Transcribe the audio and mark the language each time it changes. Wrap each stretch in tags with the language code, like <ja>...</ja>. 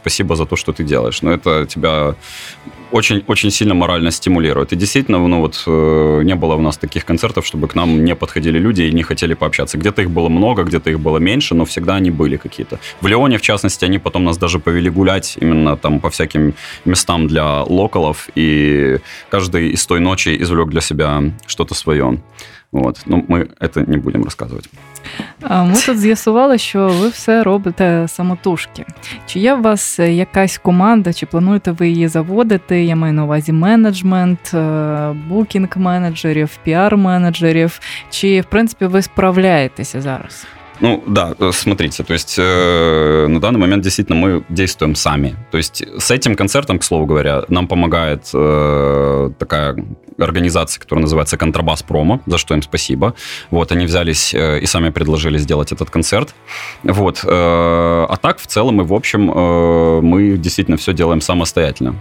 <ru>спасибо за то, что ты делаешь. Но это тебя очень-очень сильно морально стимулирует. И действительно, ну вот не было у нас таких концертов, чтобы к нам не подходили люди и не хотели пообщаться. Где-то их было много, где-то их было меньше, но всегда они были какие-то. В Лионе, в частности, они потом нас даже повели гулять именно там по всяким местам для локалов, и каждый из той ночи извлек для себя что-то свое. Вот.</ru> <uk>Ну, ми це не будемо розказувати. Ми тут з'ясували, що ви все робите самотужки. Чи є у вас якась команда, чи плануєте ви її заводити? Я маю на увазі менеджмент, букінг-менеджерів, піар-менеджерів. Чи, в принципі, ви справляєтеся зараз?</uk> <ru>Ну, да, смотрите, то есть на данный момент действительно мы действуем сами. То есть с этим концертом, к слову говоря, нам помогает такая организация, которая называется «Контрабас Промо», за что им спасибо. Вот, они взялись и сами предложили сделать этот концерт. Вот, а так, в целом и в общем, мы действительно все делаем самостоятельно.</ru>